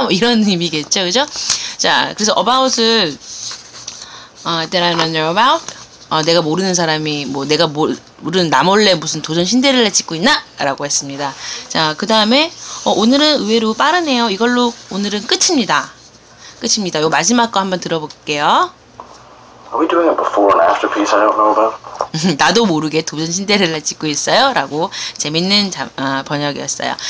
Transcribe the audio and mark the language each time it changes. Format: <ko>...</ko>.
<ko>뭐 이런 의미겠죠? 그죠? 자, 그래서 About을</ko> <en>that I don't know about.</en> <ko>내가 모르는 사람이 뭐 내가 모르는 나 몰래 무슨 도전 신데렐라 찍고 있나? 라고 했습니다. 자, 그 다음에 오늘은 의외로 빠르네요. 이걸로 오늘은 끝입니다. 요 마지막 거 한번 들어볼게요.</ko> <en>Are we doing a before and after piece I don't know about?</en> <ko>나도 모르게 도전 신데렐라 찍고 있어요. 라고 재밌는 번역이었어요.</ko>